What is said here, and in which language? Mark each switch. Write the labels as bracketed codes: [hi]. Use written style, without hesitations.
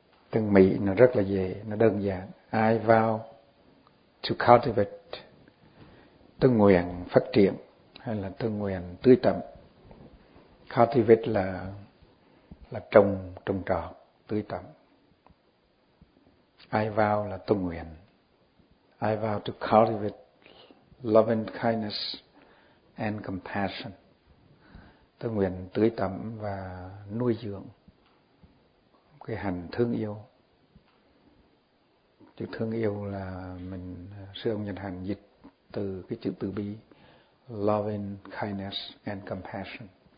[vi] Từng Mỹ nó rất là dễ, nó đơn giản. [en] I vow to cultivate, [vi] tôi nguyện phát triển, hay là tôi nguyện tưới tẩm. Cultivate là trồng, trồng trọt, tưới tẩm. [en] I vow [vi] là tôi nguyện. [en] I vow to cultivate loving kindness and compassion. [vi] Tôi nguyện tưới tẩm và nuôi dưỡng cái hành thương yêu Chữ thương yêu là mình, sư ông Nhật Hành dịch từ cái chữ từ bi, [en] loving kindness and compassion.